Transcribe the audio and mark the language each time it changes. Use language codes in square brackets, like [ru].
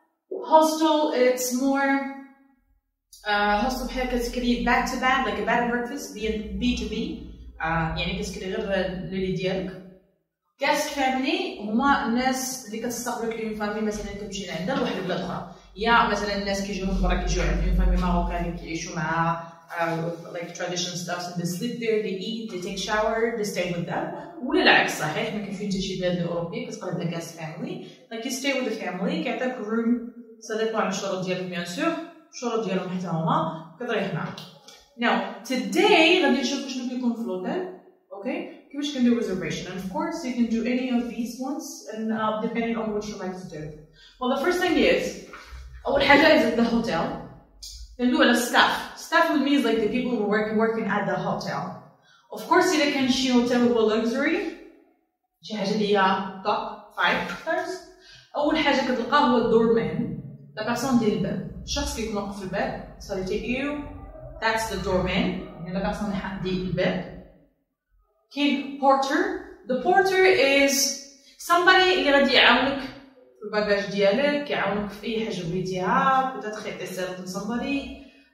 [en] Hostel, it's more hostel because it's like back to back, like a bed and breakfast, B2B. [ar] يعني كيس كده غير للي ديالك. Guest family, هما الناس اللي كتستقبلك اليوم فامي مثلا تمشي لعندها لواحد البلاد اخرى. يا مثلا الناس كيجيو من برا كيجيو عند اليوم فامي ماروكاني كيعيشوا معاها [en] like tradition stuff, so they sleep there, they eat, they take shower, they stay with them. [ar] ولا العكس صحيح ما كيفينش شي بلاد اوروبيه كتقعد عند guest family. [en] Like you stay with the family, [ar] كيعطيك room, [en] so they put on [ar] الشروط ديالهم بيان سور, الشروط ديالهم حتى هما, كتريح معاك. [en] Now, today [ar] غادي نشوف شنو كيكون في الاوتيل, okay? كيفاش كندير [en] reservation, and of course you can do any of these ones, and depending on what you like to do. Well, the first thing is, [ar] أول حاجة [en] is at the hotel. كندوي على staff. Staff with me is like the people who are working at the hotel. Of course, you can see hotel with luxury. [ar] شي حاجة اللي هي top 5 stars. أول حاجة كتلقاها هو doorman. [fr] La personne [ar] ديال الباب. الشخص اللي يكون واقف في الباب. [en] So they take you. That's the doorman. [ar] يعني [fr] la personne [ar] ديال الباب. كاين porter. [en] The porter is somebody [ar] اللي غادي يعاونك في الباجاج ديالك، يعاونك في أي حاجة بغيتيها، بتدخل تسأل من somebody.